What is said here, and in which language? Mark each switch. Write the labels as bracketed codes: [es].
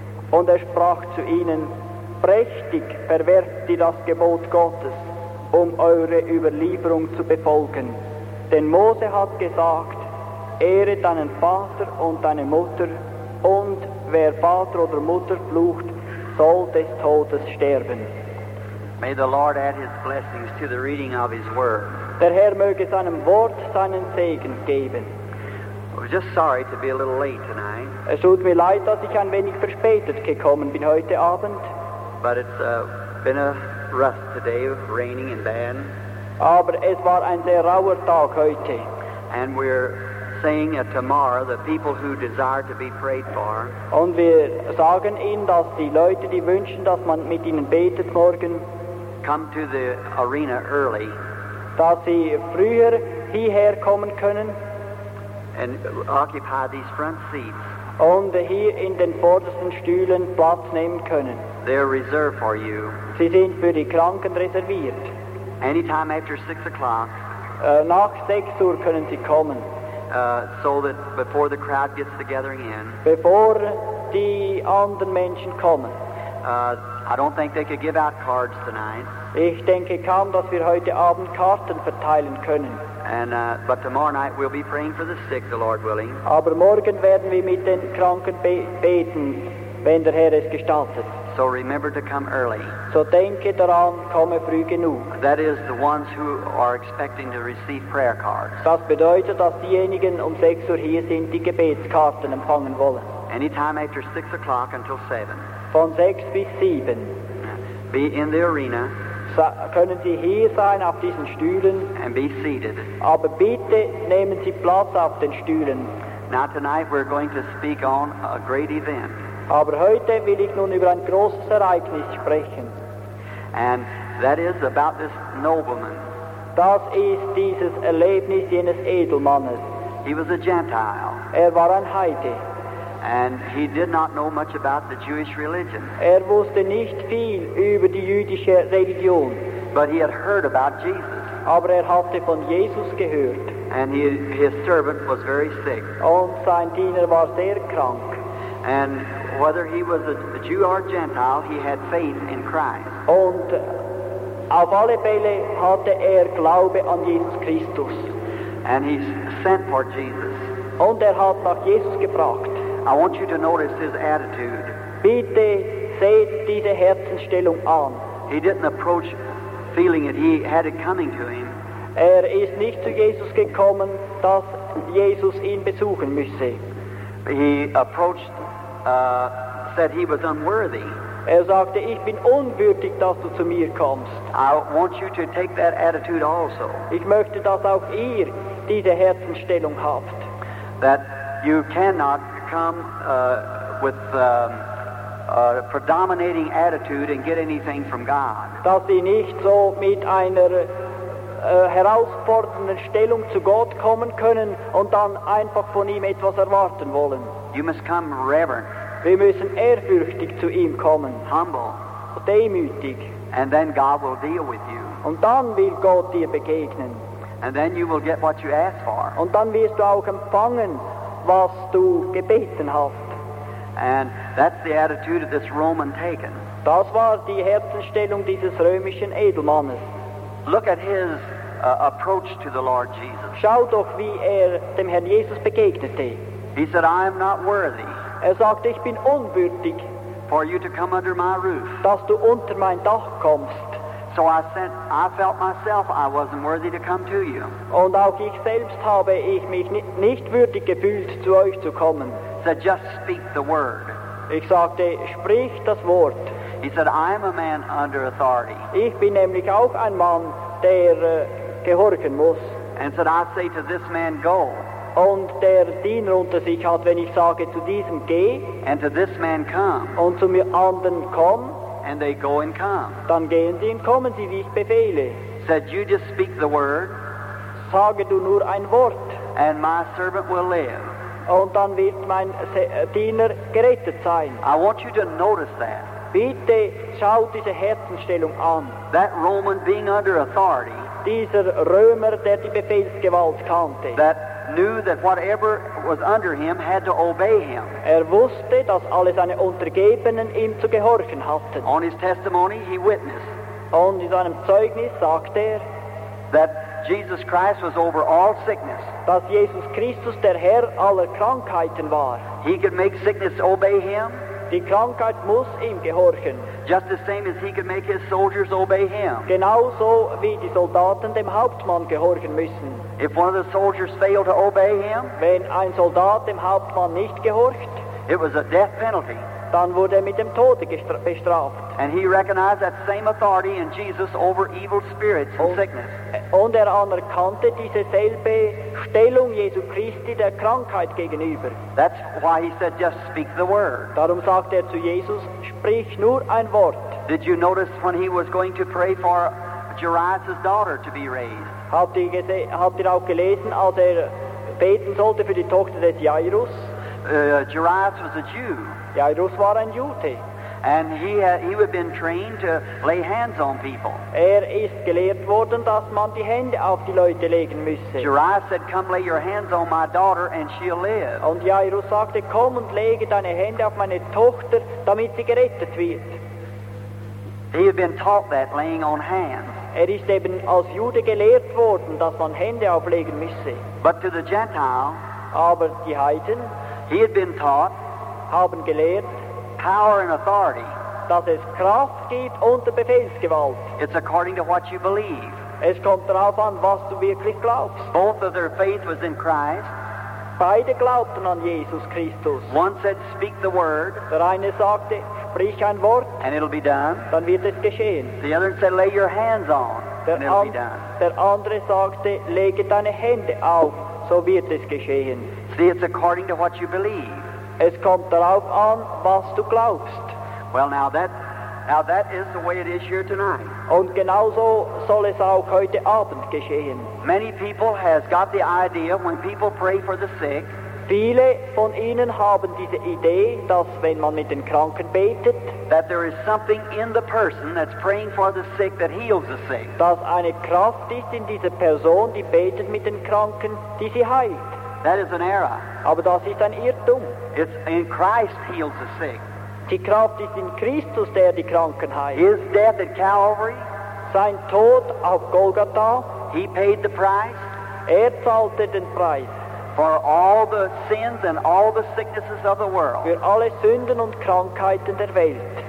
[de] Und er sprach zu ihnen, prächtig verwerft ihr das Gebot Gottes, um eure Überlieferung zu befolgen. Denn Mose hat gesagt, ehre deinen Vater und deine Mutter, und wer Vater oder Mutter flucht, soll des Todes sterben. [en] May the Lord add his blessings to the reading of his word. [de] Der Herr möge seinem Wort seinen Segen geben. [en] I'm just sorry to be a little late tonight. [de] Es tut mir leid, dass ich ein wenig verspätet gekommen bin heute Abend. [en] But it's been a rough today, raining and bad. [de] Aber es war ein sehr rauer Tag heute. [en] And we're saying tomorrow the people who desire to be prayed for. [de] Und wir sagen ihnen, dass die Leute, die wünschen, dass man mit ihnen betet morgen, [en] come to the arena early. [de] Dass sie früher hierher kommen können. [en] And occupy these front seats. [de] Und hier in den vordersten Stühlen Platz nehmen können. [en] They're reserved for you. [de] Sie sind für die Kranken reserviert. [en] Anytime after 6 o'clock. [de] Nach 6 Uhr können sie kommen. [en] So that before the crowd gets the gathering in. [de] Bevor die anderen Menschen kommen. [en] I don't think they could give out cards tonight. [de] Ich denke kaum, dass wir heute Abend Karten verteilen können. [en] But tomorrow night we'll be praying for the sick, the Lord willing. [de] Aber morgen werden wir mit den Kranken beten, wenn der Herr es gestattet. [en] So remember to come early. [de] So denke daran, komme früh genug. [en] That is the ones who are expecting to receive prayer cards. [de] Das bedeutet, dass diejenigen um 6 Uhr hier sind, die Gebetskarten empfangen wollen. [en] Anytime after 6 o'clock until 7. [de] Von 6 bis 7. [en] Be in the arena. [de] Können Sie hier sein auf diesen Stühlen? [en] And be seated. [de] Aber bitte nehmen Sie Platz auf den Stühlen. [en] Now tonight we're going to speak on a great event. [de] Aber heute will ich nun über ein großes Ereignis sprechen. [en] And that is about this nobleman. [de] Das ist dieses Erlebnis jenes Edelmannes. [en] He was a Gentile. [de] Er war ein Heide. [en] And he did not know much about the Jewish religion. [de] Er wusste nicht viel über die jüdische Religion. [en] But he had heard about Jesus. [de] Aber er hatte von Jesus gehört. [en] And his servant was very sick. [de] Und sein Diener war sehr krank. [en] And whether he was a Jew or a Gentile, he had faith in Christ. [de] Und auf alle Fälle hatte er Glaube an Jesus Christus. [en] And he sent for Jesus. [de] Und er hat nach Jesus gefragt. [en] I want you to notice his attitude. [de] Bitte seht diese Herzenstellung an. [en] He didn't approach feeling it. He had it coming to him. [de] Er ist nicht zu Jesus gekommen, dass Jesus ihn besuchen müsse. [en] He approached, said he was unworthy. [de] Er sagte, ich bin unwürdig, dass du zu mir kommst. [en] I want you to take that attitude also. [de] Ich möchte, dass auch ihr diese Herzenstellung habt. [en] That you cannot come with a predominating attitude and get anything from God. [de] Dass sie nicht so mit einer herausfordernden Stellung zu Gott kommen können und dann einfach von ihm etwas erwarten wollen. [en] You must come reverent. [de] Wir müssen ehrfürchtig zu ihm kommen. [en] Humble. [de] Demütig. [en] And then God will deal with you. [de] Und dann will Gott dir begegnen. [en] And then you will get what you ask for. [de] Und dann wirst du auch empfangen, was du gebeten hast. [en] And that's the attitude of this Roman taken. [de] Das war die Herzenstellung dieses römischen Edelmannes. [en] Look at his approach to the Lord Jesus. [de] Schau doch, wie er dem Herrn Jesus begegnete. [en] He said, I am not worthy. [de] Er sagte, ich bin unwürdig. [en] For you to come under my roof. [de] Dass du unter mein Dach kommst. [en] So I said, I felt myself I wasn't worthy to come to you. [de] Und auch ich selbst habe ich mich nicht würdig gefühlt, zu euch zu kommen. [en] So just speak the word. [de] Ich sagte, sprich das Wort. [en] He said, I am a man under authority. [de] Ich bin nämlich auch ein Mann, der gehorchen muss. [en] And said, I say to this man, go. [de] Und der Diener unter sich hat, wenn ich sage, zu diesem geh. [en] And to this man, come. [de] Und zu mir anderen komm. [en] And they go and come. [de] Dann gehen sie und kommen sie, wie ich befehle. [en] Said, you just speak the word. [de] Sage du nur ein Wort. [en] And my servant will live. [de] Und dann wird mein Diener gerettet sein. [en] I want you to notice that. [de] Bitte schau diese Herzenstellung an. [en] That Roman being under authority. [de] Dieser Römer, der die Befehlsgewalt kannte. [en] That knew that whatever was under him had to obey him. [de] Er wusste, dass alle seine Untergebenen ihm zu gehorchen hatten. [en] On his testimony, he witnessed. [de] Und in seinem Zeugnis sagte er, [en] that Jesus Christ was over all sickness. [de] Dass Jesus Christus der Herr aller Krankheiten war. [en] He could make sickness obey him. [de] Die Krankheit muss ihm gehorchen. [en] Just the same as he could make his soldiers obey him. [de] Genauso wie die Soldaten dem Hauptmann gehorchen müssen. [en] If one of the soldiers failed to obey him, [de] wenn ein Soldat dem Hauptmann nicht gehorcht, [en] it was a death penalty. [de] Dann wurde er mit dem Tode bestraft. [en] And he recognized that same authority in Jesus over evil spirits and sickness. [de] Und er anerkannte diese selbe Stellung Jesu Christi der Krankheit gegenüber. [en] That's why he said, just speak the word. [de] Darum sagte er zu Jesus, sprich nur ein Wort. [en] Did you notice when he was going to pray for Jairus' daughter to be raised? [de] Habt ihr auch gelesen, als er beten sollte für die Tochter des Jairus? [en] Jairus was a Jew. [de] Jairus war ein Jude. [en] And he had been trained to lay hands on people. [de] Er ist gelehrt worden, dass man die Hände auf die Leute legen müsse. [en] Jairus said, come lay your hands on my daughter and she'll live. [de] Und Jairus sagte, komm und lege deine Hände auf meine Tochter, damit sie gerettet wird. [en] He had been taught that laying on hands. [de] Er ist eben als Jude gelehrt worden, dass man Hände auflegen müsse. [en] But to the Gentile, [de] aber die Heiden, [en] he had been taught, [de] haben gelehrt, [en] power and authority, [de] dass es Kraft gibt und Befehlsgewalt. [en] It's according to what you believe. [de] Es kommt darauf an, was du wirklich glaubst. [en] Both of their faith was in Christ. [de] Beide glaubten an Jesus Christus. [en] One said, "Speak the word." [de] Der eine sagte, sprich ein Wort. [en] And it'll be done. [de] Dann wird es geschehen. [en] The other said, "Lay your hands on." [de] Der andere sagte, lege deine Hände auf, so wird es geschehen. [en] See, it's according to what you believe. [de] Es kommt darauf an, was du glaubst. [en] Well, now that is the way it is here tonight. [de] Und genauso soll es auch heute Abend geschehen. [en] Many people has got the idea when people pray for the sick. [de] Viele von ihnen haben diese Idee, dass wenn man mit den Kranken betet, [en] that there is something in the person that's praying for the sick that heals the sick. [de] Dass eine Kraft ist in dieser Person, die betet mit den Kranken, die sie heilt. [en] That is an error. [de] Aber das ist ein Irrtum. [en] It's in Christ heals the sick. [de] Die Kraft ist in Christus, der die Kranken heilt. [en] His death at Calvary, [de] sein Tod auf Golgatha, [en] he paid the price. [de] Er zahlte den Preis. [en] For all the sins and all the sicknesses of the world. [de] Für alle Sünden und Krankheiten der Welt.